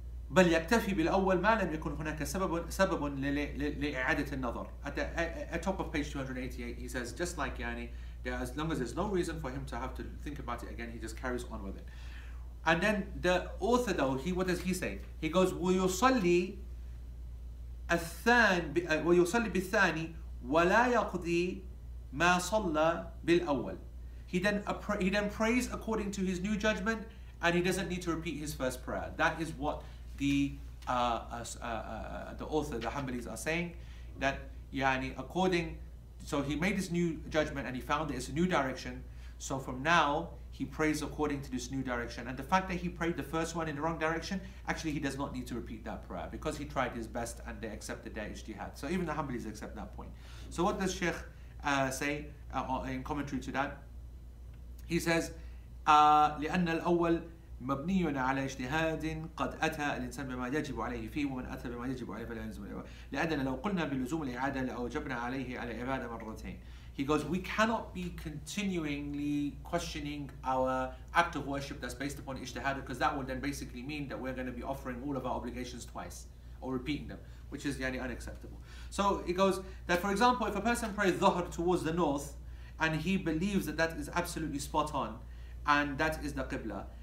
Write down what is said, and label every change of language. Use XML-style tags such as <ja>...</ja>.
<ar>بل يكتفي بالأول ما لم يكن هناك سبب لإعادة النظر.</ar> <en>At the at top of page 288, he says, just like Yani, as long as there's no reason for him to have to think about it again, he just carries on with it. And then the author though, what does he say? He goes,</en> <ar>وَيُصَلِّ بِالثَّانِي وَلَا يَقْضِي مَا صَلَّ بِالْأَوَّلِ.</ar> <en>He then prays according to his new judgment, and he doesn't need to repeat his first prayer. That is what the author, the Hanbalis, are saying, that yani, according, so he made his new judgment and he found that it's a new direction. So from now, he prays according to this new direction. And the fact that he prayed the first one in the wrong direction, actually he does not need to repeat that prayer because he tried his best and they accepted their ijtihad. So even the Hanbalis accept that point. So what does Sheikh say in commentary to that? He says,</en> <ar>لأن الأول مبني على اجتهاد قد أتى الإنسان بما يجب عليه فيه ومن أتى بما يجب عليه فلا يلزم الإعادة. لأننا لو قلنا بلزوم الإعادة لأوجبنا عليه على إعادة مرتين.</ar> <en>He goes, we cannot be continually questioning our act of worship that's based upon ijtihad, because that would then basically mean that we're going to be offering all of our obligations twice or repeating them, which is yani unacceptable. So it goes that, for example, if a person prays dhuhr towards the north and he believes that that is absolutely spot on and that is the qibla,</en>